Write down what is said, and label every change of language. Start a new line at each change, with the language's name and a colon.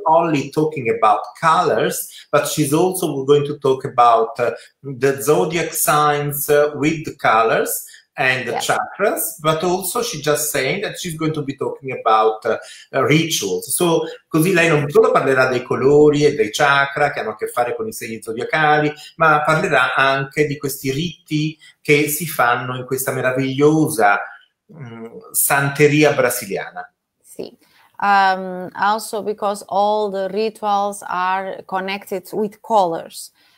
English: Only talking about colors, but she's also going to talk about the zodiac signs with the colors and the yeah. chakras, but also she just saying that she's going to be talking about rituals.
Italian: So, così lei non solo parlerà dei colori e dei chakra che hanno a che fare con i segni zodiacali, ma parlerà anche di questi riti che si fanno in questa meravigliosa santeria brasiliana. Sì.
English: Also because all the rituals are connected with colors.